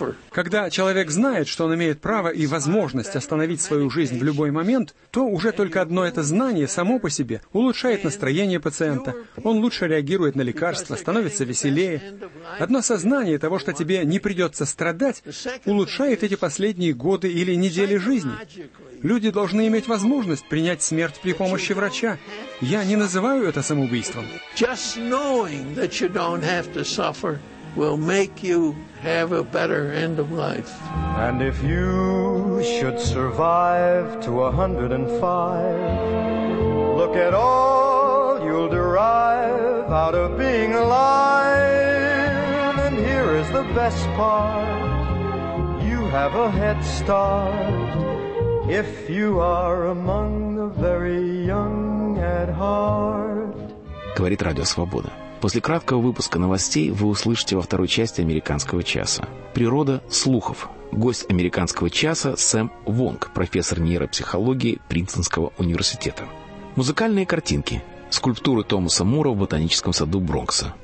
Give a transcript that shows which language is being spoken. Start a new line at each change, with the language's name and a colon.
Russian: Когда человек знает, что он имеет право и возможность остановить свою жизнь в любой момент, то уже только одно это знание само по себе улучшает настроение пациента, он лучше реагирует на лекарства, становится веселее. Одно сознание того, что тебе не придется страдать, улучшает эти последние годы или недели жизни. Люди должны иметь возможность принять смерть при помощи врача. Я не называю это самоубийством.
English: Just knowing that you don't have to suffer will make you have a better end of life. And if you should survive to 105, look at all you'll derive out of being alive. And here is the best part, you have a head start. If you are among the very young at heart.
Russian: Говорит Радио Свобода. После краткого выпуска новостей вы услышите во второй части «Американского часа». Природа слухов. Гость «Американского часа» Сэм Вонг, профессор нейропсихологии Принстонского университета. Музыкальные картинки. Скульптуры Томаса Мура в Ботаническом саду Бронкса.